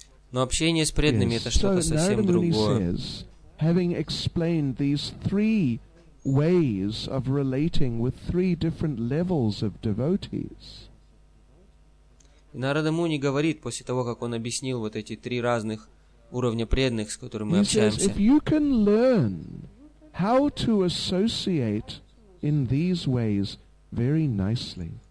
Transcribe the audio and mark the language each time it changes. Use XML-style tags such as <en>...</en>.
<ru>Но общение с преданными — это что-то совсем другое.</ru> <en>Having explained these three ways of relating with three different levels of devotees.</en> <ru>Нарада Муни говорит после того, как он объяснил вот эти три разных уровня преданных, с которыми мы общаемся.</ru> <en>If you can learn how to associate in these ways very nicely.</en>